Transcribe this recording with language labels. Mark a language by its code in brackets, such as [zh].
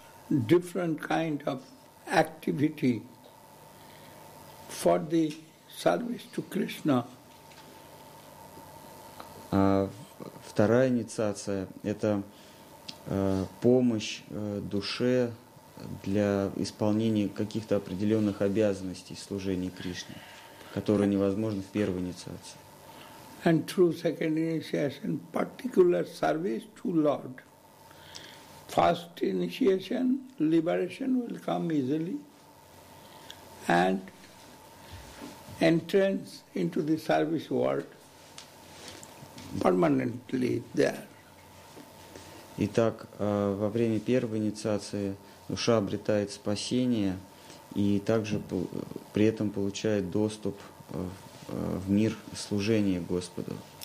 [en] different kind of activity for the service to Krishna. [ru] А вторая инициация – это помощь душе для исполнения каких-то определенных обязанностей служения Кришне, которые невозможны в первой инициации. [en] And through second initiation, particular service to Lord. First initiation, liberation will come easily, and entrance into the service world. Permanently there. [ru] Итак, во время первой инициации душа обретает спасение и также при этом получает доступ в мир служения Господу.